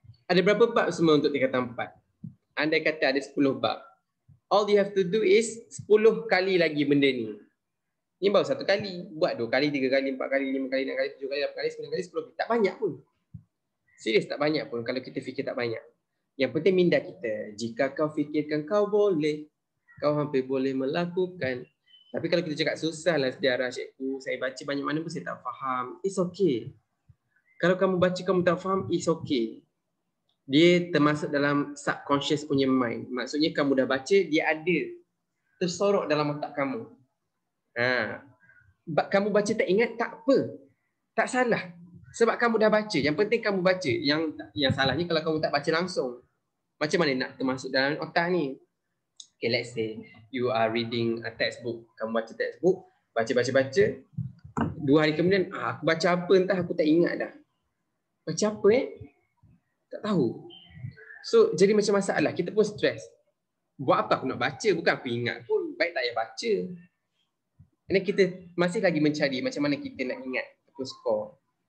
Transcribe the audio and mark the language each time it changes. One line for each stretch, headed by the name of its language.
Malay: Ada berapa bab semua untuk tingkatan empat? Andai kata ada 10 bab.
English: All you have to do is 10 kali lagi benda ni.
Malay: Ni baru satu kali. Buat 2 kali, 3 kali, 4 kali, 5 kali, 6 kali, 7 kali, 8 kali, 9 kali, 10 kali. Tak banyak pun. Serius tak banyak pun kalau kita fikir tak banyak. Yang penting minda kita. Jika kau fikirkan kau boleh, kau hampir boleh melakukan. Tapi kalau kita cakap susahlah sejarah cikgu, saya baca banyak mana pun saya tak faham.
English: It's okay.
Malay: Kalau kamu baca kamu tak faham,
English: it's okay.
Malay: Dia termasuk dalam subconscious punya mind. Maksudnya kamu dah baca, dia ada. Tersorok dalam otak kamu. Ha. Kamu baca tak ingat, tak apa. Tak salah. Sebab kamu dah baca. Yang penting kamu baca. Yang salahnya kalau kamu tak baca langsung. Macam mana nak termasuk dalam otak ni?
English: Okay, let's say you are reading a textbook.
Malay: Kamu baca textbook. Baca. Dua hari kemudian, aku baca apa entah aku tak ingat dah. Baca apa eh? Tak tahu. So, jadi macam masalah. Kita pun stres. Buat apa aku nak baca? Bukan aku ingat pun. Baik tak payah baca. And then kita masih lagi mencari macam mana kita nak ingat. Aku skor.